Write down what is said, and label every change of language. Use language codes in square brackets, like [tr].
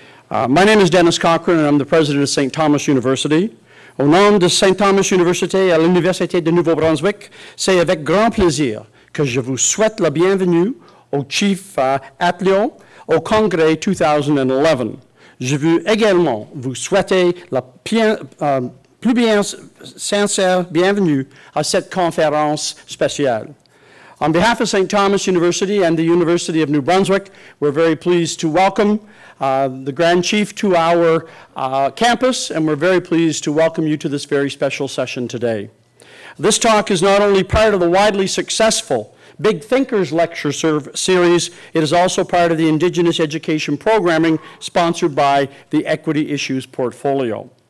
[en] My name is Dennis Cochran, and I'm the president of St. [fr] Thomas University. Au nom de St. Thomas University et l'Université de Nouveau-Brunswick, c'est avec grand plaisir que je vous souhaite la bienvenue au Chief Atleo au Congrès 2011. Je veux également vous souhaiter la plus bien sincère bienvenue à cette conférence spéciale. [en] On behalf of St. Thomas University and the University of New Brunswick, we're very pleased to welcome the Grand Chief to our campus, and we're very pleased to welcome you to this very special session today. This talk is not only part of the widely successful Big Thinkers Lecture Series, it is also part of the Indigenous Education Programming sponsored by the Equity Issues Portfolio.